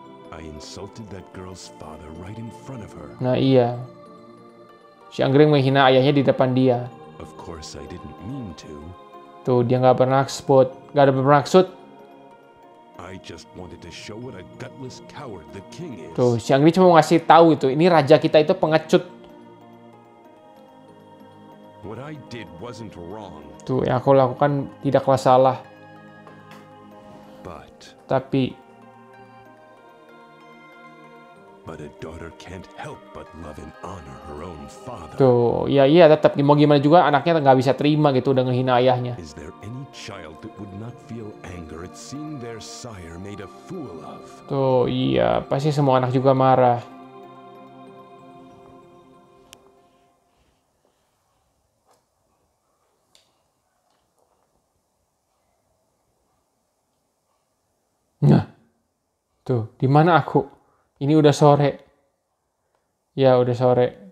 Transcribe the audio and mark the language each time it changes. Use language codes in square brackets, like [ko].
[en] I insulted that girl's father right in front of her. [id] Nah iya. Si Anggrim menghina ayahnya di depan dia. [en] Of course I didn't mean to. [id] Tuh, dia gak bermaksud. Gak ada bermaksud. [en] I just wanted to show what a gutless coward the king is. [id] Tuh, si Anggrim cuma mau ngasih tahu itu, ini raja kita itu pengecut. [en] What I did wasn't wrong. [id] Tuh, yang aku lakukan tidaklah salah. [en] But. Tapi. But a daughter can't help but love and honor her own father. [id] Tuh, ya iya tetap mau gimana juga anaknya enggak bisa terima gitu udah ngehina ayahnya. [en] Is there any child that would not feel anger at seeing their sire made a fool of? [id] Tuh, iya pasti semua anak juga marah. Nah. Tuh, di mana aku? Ini udah sore. Ya, udah sore.